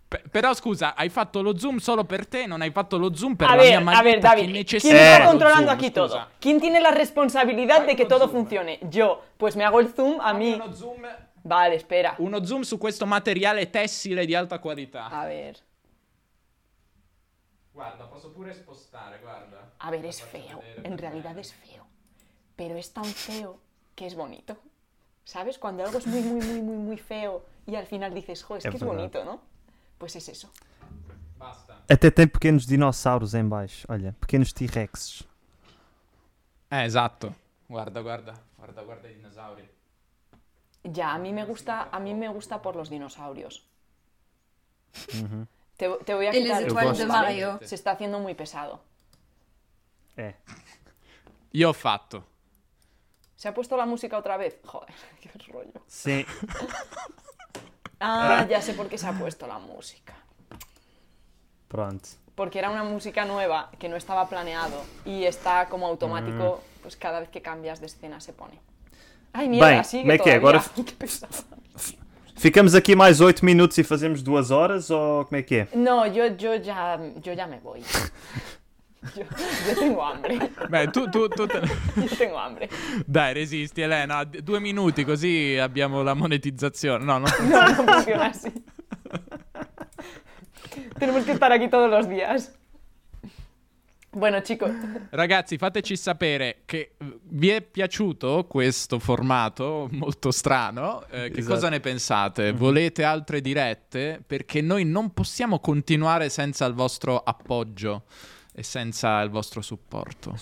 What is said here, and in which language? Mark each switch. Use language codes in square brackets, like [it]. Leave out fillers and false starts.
[it] Però scusa, hai fatto lo Zoom solo per te, non hai fatto lo Zoom per la mia maglietta. [es] A ver, David, ¿quién está controlando aquí todo? ¿Quién tiene la responsabilidad de que todo funcione? Yo, pues me hago el Zoom a mí. Vale, espera. [it] Uno zoom su questo materiale tessile di alta qualità. [es] A ver. [it] Guarda, posso pure spostare, guarda. [es] A ver, es feo. En realidad es feo. Pero es tan feo que es bonito. ¿Sabes? Cuando algo es muy, muy, muy, muy, muy feo y al final dices, jo, es que es bonito, ¿no? Pues es eso. Basta. [pt] Até tem pequenos dinossauros em baixo. Olha, pequenos T-Rexes. [it] Esatto. Guarda i dinosauri. [es] Ya, a mí me gusta por los dinosaurios. Te voy a quitar. [fr] Les étoiles de Mario. [es] Se está haciendo muy pesado. Yo he fatto. ¿Se ha puesto la música otra vez? Joder, qué rollo. Sí. Ah, ya sé por qué se ha puesto la música. Pronto. Porque era una música nueva que no estaba planeado y está como automático, pues cada vez que cambias de escena se pone. [pt] Ai, bem, como é que é? Agora ficamos aqui mais 8 minutos e fazemos 2 horas ou como é que é? Não, eu já me vou. Eu tenho hambre. Bem, tu tenho hambre. [it] Dai, resisti, Elena. 2 minuti, così abbiamo la monetização. [pt] Não, não funciona assim. Temos que estar aqui todos os dias. [es] Bueno, chico. [it] Ragazzi, fateci sapere che vi è piaciuto questo formato molto strano. Che esatto. Cosa ne pensate? Volete altre dirette? Perché noi non possiamo continuare senza il vostro appoggio e senza il vostro supporto.